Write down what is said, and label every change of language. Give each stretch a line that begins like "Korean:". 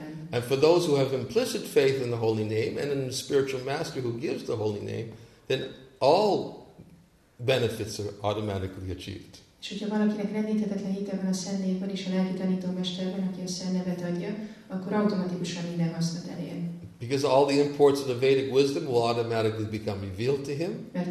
English: And for those who have implicit faith in the holy name and in the spiritual master who gives the holy name, then all benefits are automatically achieved.
Hungarian: És hogyha valakinek rendíthetetlen hite van a szent névben és a lelki tanítómesterben, aki a szent nevet adja, akkor automatikusan minden hasznot elér.
English: Because all the imports of the Vedic wisdom will automatically become revealed to him.